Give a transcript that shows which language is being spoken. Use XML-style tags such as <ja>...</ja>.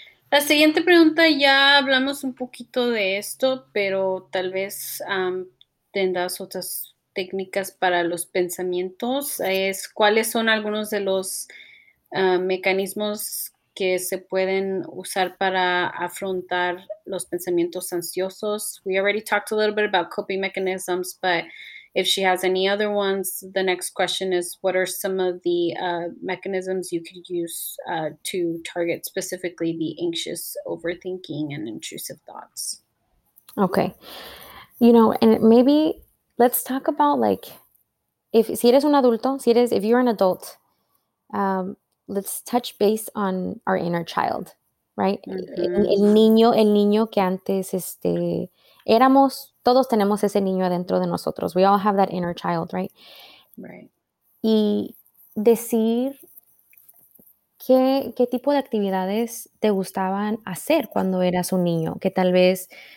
<es>La siguiente pregunta, ya hablamos un poquito de esto, pero tal vez tendrás otras técnicas para los pensamientos. Es, ¿cuáles son algunos de los mecanismos que se pueden usar para afrontar los pensamientos ansiosos?</es> <en>We already talked a little bit about coping mechanisms, but if she has any other ones, the next question is, what are some of the mechanisms you could use to target specifically the anxious overthinking and intrusive thoughts? Okay. You know, and maybe let's talk about like,</en> <es>si eres un adulto,</es> <en>if you're an adult, let's touch base on our inner child, right? Mm-hmm.</en> <es>El niño que antes éramos, todos tenemos ese niño adentro de nosotros.</es> <en>We all have that inner child, right? Right.</en> <es>Y decir qué tipo de actividades te gustaban hacer cuando eras un niño, que tal vez</es>